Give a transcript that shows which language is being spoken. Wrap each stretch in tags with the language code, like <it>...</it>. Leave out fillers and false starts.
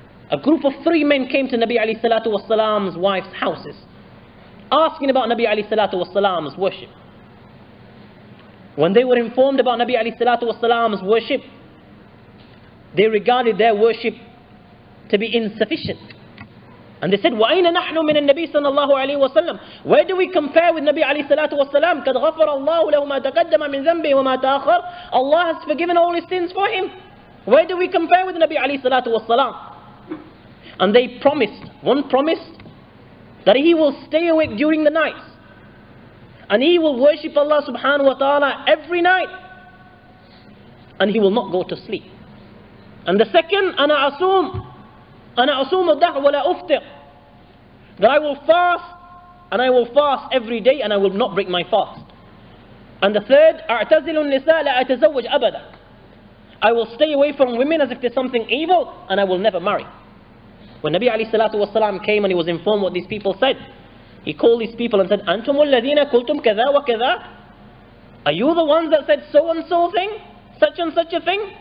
<en>A group of three men came to Nabi alayhi salatu wasalam's wife's houses, asking about Nabi alayhi salatu wasalam's worship. When they were informed about Nabi alayhi salatu wasalam's worship, they regarded their worship to be insufficient. And they said,</en> <ar>وَأَيْنَ نَحْنُ مِنَ النَّبِيِّ صَلَّى اللَّهُ عَلَيْهِ وَسَلَّمَ.</ar> <en>Where do we compare with Nabi</en> <ar>عليه الصلاة والسلام؟ قَدْ غَفَرَ اللَّهُ لَهُ مَا تَقَدَّمَ مِنْ ذَنْبِهِ وَمَا تَأَخَّرَ.</ar> <en>Allah has forgiven all his sins for him. Where do we compare with Nabi عليه الصلاة والسلام؟ And they promised, one promised, that he will stay awake during the night. And he will worship Allah subhanahu wa ta'ala every night. And he will not go to sleep. And the second,</en> <ar>أَنَا أَصُومُ الدَّهْرَ وَلَا أُفْتِرْ.</ar> <en>That I will fast, and I will fast every day, and I will not break my fast. And the third,</en> <ar>أَعْتَزِلُ النِّسَاءَ لَا أَتَزَوَّجْ أَبَدًا.</ar> <en>I will stay away from women as if there's something evil, and I will never marry. When Nabi عليه الصلاة والسلام came and he was informed what these people said, he called these people and said,</en> <ar>أَنْتُمُ الَّذِينَ كُلْتُمْ كَذَا وَكَذَا.</ar> <en>Are you the ones that said so and so thing? Such and such a thing?</en>